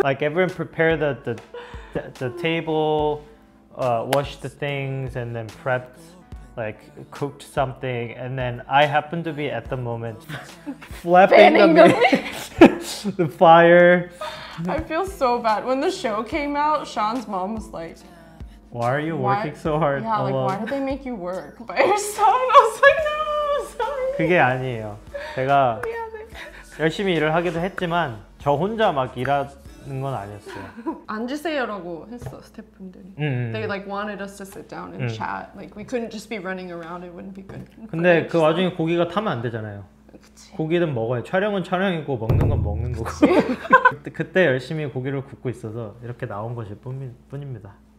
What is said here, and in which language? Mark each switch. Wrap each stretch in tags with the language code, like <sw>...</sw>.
<en>Like everyone prepared the table, washed the things, and then prepped, like cooked something, and then I happened to be at the moment flapping the fire. I feel so bad. When the show came out, Sean's mom was like, why are you working so hard? Yeah, alone? Like, why did they make you work by yourself? I was like, no, sorry.</en> <ko>그게 아니에요. 제가 열심히 일을 하기도 했지만 저 혼자 막 일하는 건 아니었어요. 앉으세요라고 했어, 스태프분들이.</ko> <en>They like wanted us to sit down and chat. Like, we couldn't just be running around. It wouldn't be good.</en> <ko>근데 그 와중에 고기가 타면 안 되잖아요. 그치. 고기는 먹어요. 촬영은 촬영이고 먹는 건 먹는 거고. 그때 열심히 고기를 굽고 있어서 이렇게 나온 것일 뿐입니다.</ko>